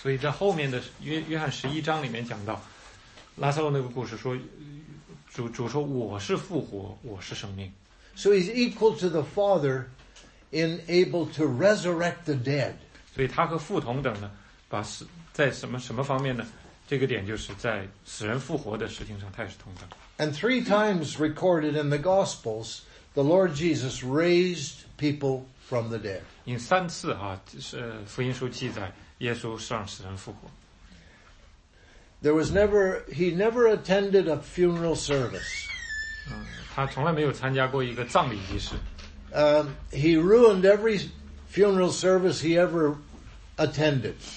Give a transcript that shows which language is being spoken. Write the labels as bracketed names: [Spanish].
[Chinese] 所以在后面的约翰十一章里面讲到拉撒路那个故事，说主说我是复活，我是生命。 [English] So he's equal to the Father in able to resurrect the dead. [Chinese] 所以他和父同等呢，把死在什么方面呢，这个点就是在死人复活的事情上他也是同等。 [English] And three times recorded in the Gospels, the Lord Jesus raised people from the dead. [Chinese] 因三次啊，福音书记载，耶稣让死人复活。 [English] He never attended a funeral service. [Chinese] 他从来没有参加过一个葬礼仪式。 [English] He ruined every funeral service he ever attended.